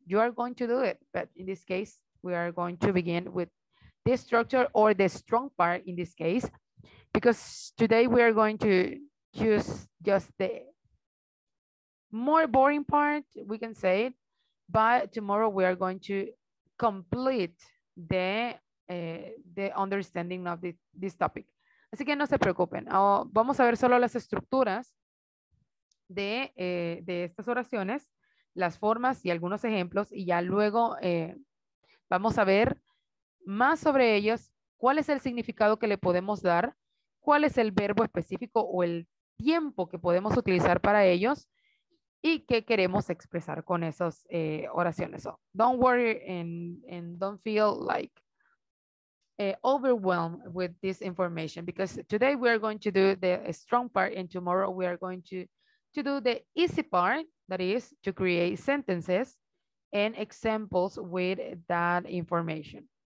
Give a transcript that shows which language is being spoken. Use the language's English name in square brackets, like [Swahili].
[English] You are going to do it, but in this case, we are going to begin with this structure, or the strong part in this case, because today we are going to use just the more boring part, we can say it, but tomorrow we are going to complete the understanding of this topic. [Spanish] Así que no se preocupen. Vamos a ver solo las estructuras de estas oraciones, las formas y algunos ejemplos, y ya luego vamos a ver más sobre ellos, cuál es el significado que le podemos dar, cuál es el verbo específico o el tiempo que podemos utilizar para ellos y qué queremos expresar con esas oraciones. [English] So, don't worry and don't feel like overwhelmed with this information, because today we are going to do the strong part and tomorrow we are going to do the easy part, that is to create sentences and examples with that information.